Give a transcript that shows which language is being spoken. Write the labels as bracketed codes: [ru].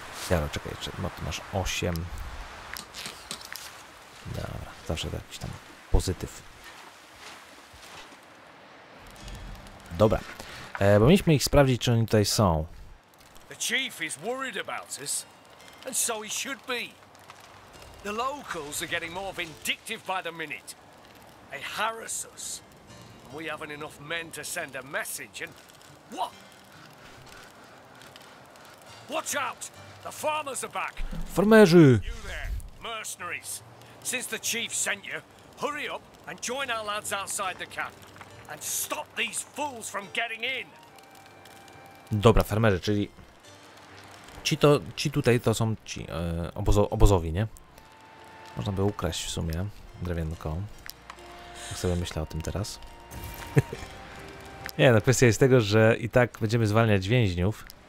[pl] Jaro, czekaj, jeszcze, no tu masz 8. Dobra, zawsze jakiś tam pozytyw. Dobra, bo mieliśmy ich sprawdzić, czy oni tutaj są. [en] The chief is worried about us, and so he should be. The locals are getting more vindictive by the minute. They harass us. And we haven't enough men to send a message and... What? Watch out! The farmers are back! [pl] Farmerzy! [en] You there, mercenaries. Since the chief sent you, hurry up and join our lads outside the camp. And stop these fools from getting in! [pl] Dobra, farmerzy, czyli... Ci tutaj to są ci obozowi, nie? Można by ukraść w sumie drewienko. Jak sobie myślę o tym teraz. Nie, no kwestia jest tego, że i tak będziemy zwalniać więźniów.